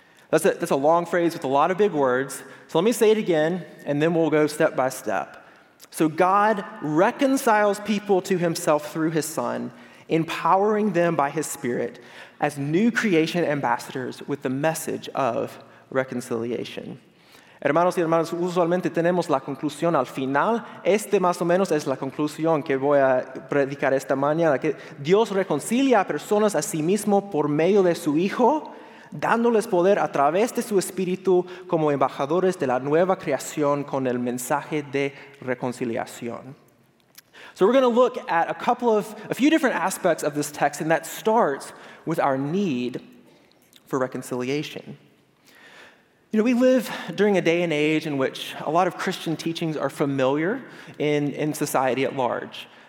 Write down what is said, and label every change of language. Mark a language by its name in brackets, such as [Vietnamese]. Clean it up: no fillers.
[English] That's a long phrase with a lot of big words. So let me say it again, and then we'll go step by step. So God reconciles people to himself through his Son, empowering them by his Spirit as new creation ambassadors with the message of reconciliation. [Spanish] Hermanos y hermanas, usualmente tenemos la conclusión al final. Este más o menos es la conclusión que voy a predicar esta mañana. Que Dios reconcilia a personas a sí mismo por medio de su Hijo, dándoles poder a través de su Espíritu como embajadores de la nueva creación con el mensaje de reconciliación. [English] So we're going to look at a few different aspects of this text, and that starts with our need for reconciliation. You know, we live during a day and age in which a lot of Christian teachings are familiar in society at large.